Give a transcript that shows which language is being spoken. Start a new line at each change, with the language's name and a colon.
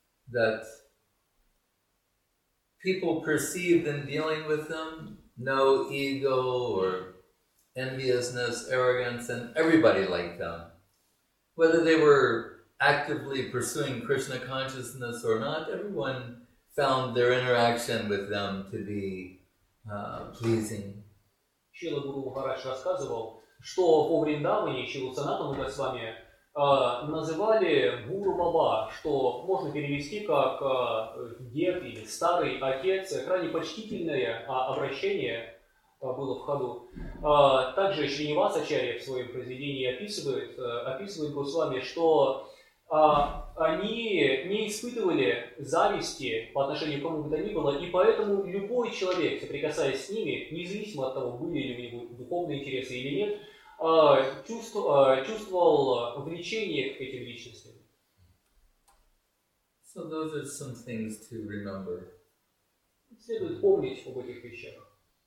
English: That people perceived in dealing with them, no ego or enviousness, arrogance, and everybody liked them. Whether they were actively pursuing Krishna consciousness or not, everyone found their interaction with them to be pleasing.
Russian: Шрила Гуру Махарадж рассказывал, что по Вриндаване, Шрила Санатана Госвами, называли Гуру Баба, что можно перевести как дед или старый отец, крайне почтительное обращение было в ходу. Также Шринивас Ачарья в своем произведении описывает Госвами, что они не испытывали зависти по отношению к кому бы то ни было, и поэтому любой человек, соприкасаясь с ними, независимо от того, были ли у него духовные интересы или нет, чувствовал влечение к этим личностям.
English: So those are some things to remember.
Russian: Следует помнить об этих вещах.